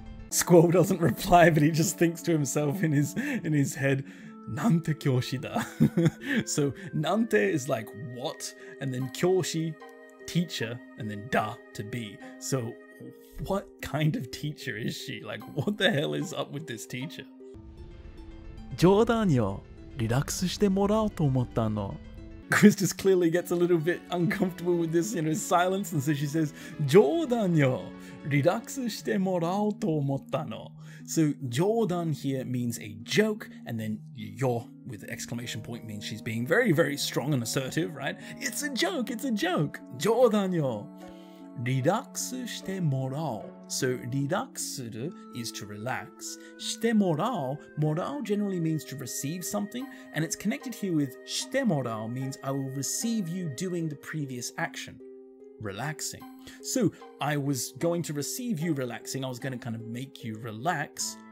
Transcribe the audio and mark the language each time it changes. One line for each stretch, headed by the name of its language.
English: Squall doesn't reply, but he just thinks to himself in his head,
Japanese: なんて教師だ?
English: So, なんて is like what, and then 教師, teacher, and then da, to be. So, what kind of teacher is she? Like, what the hell is up with this teacher?
Japanese: 冗談よ。リラックスしてもらおうと思ったの。
English: Chris just clearly gets a little bit uncomfortable with this, you know, silence, and so she says,
Japanese: 冗談よ。リラックスしてもらおうと思ったの。
English: So, 冗談 here means a joke, and then yo with an exclamation point means she's being very, very strong and assertive, right? It's a joke, it's a joke!
Japanese: 冗談よ。リラックスしてもらおう。
English: So, リラックスする is to relax.
Japanese: してもらおう。
English: もらお generally means to receive something, and it's connected here with してもらお means I will receive you doing the previous action. Relaxing. So, I was going to receive you relaxing. I was going to kind of make you relax.